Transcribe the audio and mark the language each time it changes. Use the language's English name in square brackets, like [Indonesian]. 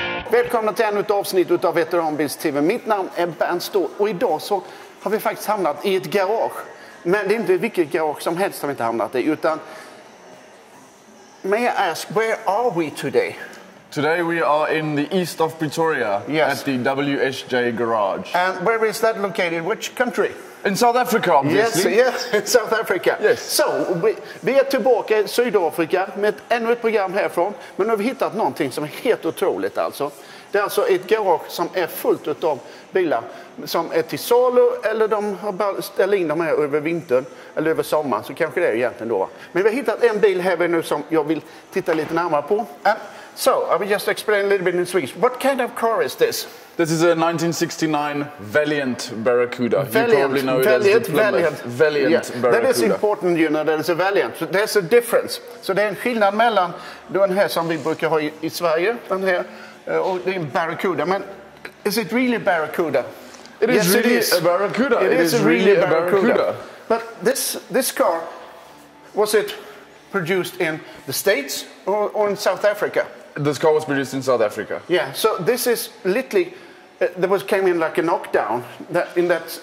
[Swedish] Välkomna till ännu ett avsnitt av Veteranbils TV. Mitt namn är Bernt Ståhl och idag så har vi faktiskt hamnat i ett garage. Men det är inte vilket garage som helst har vi inte hamnat i, utan... [English] May I ask, where are we today? Today we are in the east of Pretoria, yes. At the WSJ garage. And where is that located? Which country? In South Africa, obviously. Yes, in South Africa. Yes. [Swedish] So, vi är tillbaka i Sydafrika med ännu ett program härifrån. Men nu har vi hittat någonting som är helt otroligt alltså. Det är alltså ett garage som är fullt av bilar som är till salu, eller de har bara ställt in dem här över vintern eller över sommaren, så kanske det är egentligen då. Men vi har hittat en bil här nu som jag vill titta lite närmare på. [English] So, I will just explain a little bit in Swedish. What kind of car is this? This is a 1969 Valiant Barracuda. Valiant, you probably know Valiant, it as the Plymouth. Valiant, Valiant, yeah. Barracuda. That is important, you know, that it's a Valiant. So there's a difference. [Swedish] So det är en skillnad mellan den här som vi brukar ha i Sverige, den här, och det är en Barracuda. [English] Men is it really a Barracuda? It is, yes, really it is. A Barracuda. It is really a Barracuda. But this car, was it produced in the States or in South Africa? This car was produced in South Africa. Yeah, so this is literally, there was came in like a knockdown that in that